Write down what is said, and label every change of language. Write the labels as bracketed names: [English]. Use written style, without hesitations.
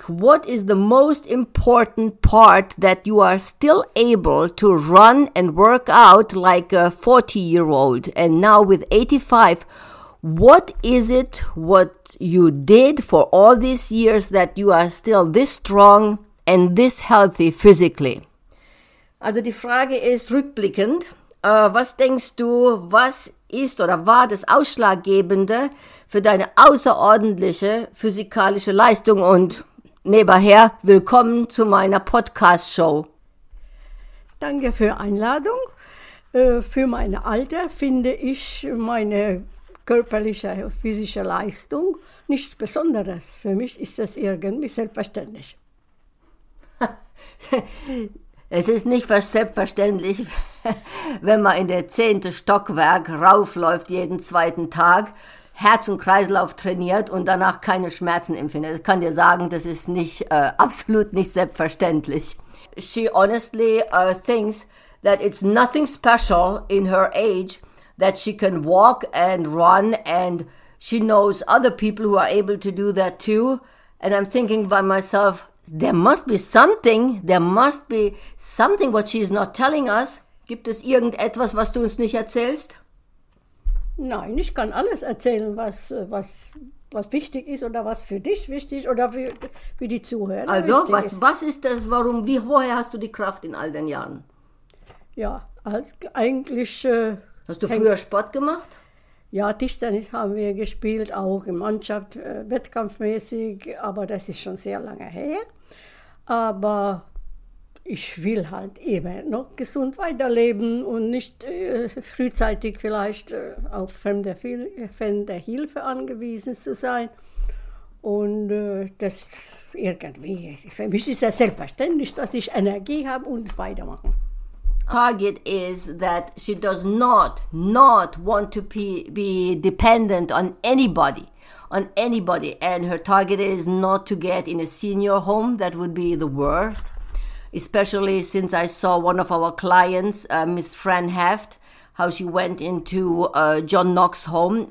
[English] What is the most important part that you are still able to run and work out like a 40-year-old? And now with 85, what is it what you did for all these years that you are still this strong and this healthy physically? [German] Also die Frage ist rückblickend. Was denkst du, was ist oder war das Ausschlaggebende für deine außerordentliche physikalische Leistung? Und nebenher, willkommen zu meiner Podcast-Show. Danke für Einladung. Für mein Alter finde ich meine körperliche, physische Leistung nichts Besonderes. Für mich ist das irgendwie selbstverständlich. Es ist nicht selbstverständlich, wenn man in der 10. Stockwerk raufläuft jeden zweiten Tag, Herz- und Kreislauf trainiert und danach keine Schmerzen empfindet. Ich kann dir sagen, das ist nicht absolut nicht selbstverständlich. [English] She honestly thinks that it's nothing special in her age that she can walk and run, and she knows other people who are able to do that too. And I'm thinking by myself, there must be something what she is not telling us. [German] Gibt es irgendetwas, was du uns nicht erzählst? Nein, ich kann alles erzählen, was wichtig ist oder was für dich wichtig oder für die Zuhörer. Also, was ist das, warum, wie, woher hast du die Kraft in all den Jahren? Ja, als eigentlich hast du früher Sport gemacht? Ja, Tischtennis haben wir gespielt, auch in Mannschaft, wettkampfmäßig, aber das ist schon sehr lange her. Aber ich will halt eben noch gesund weiterleben und nicht frühzeitig vielleicht auf fremde Hilfe angewiesen zu sein. Und das irgendwie, für mich ist es selbstverständlich, dass ich Energie habe und weitermachen. [English] Target is that she does not want to be dependent on anybody. And her target is not to get in a senior home. That would be the worst, especially since I saw one of our clients, Miss Fran Heft, how she went into John Knox home.